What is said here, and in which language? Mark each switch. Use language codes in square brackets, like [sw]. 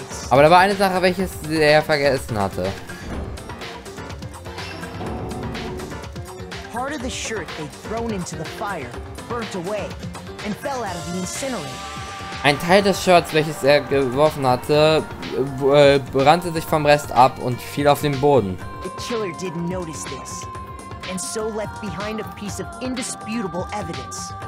[de] Aber da war eine Sache, welches er vergessen hatte. [en] Part of the shirt they'd thrown into the fire burnt away and fell out of the incinerator. [de] Ein Teil des Shirts, welches er geworfen hatte, brannte sich vom Rest ab und fiel auf den Boden. [en] The killer didn't notice this and so left behind a piece of indisputable evidence.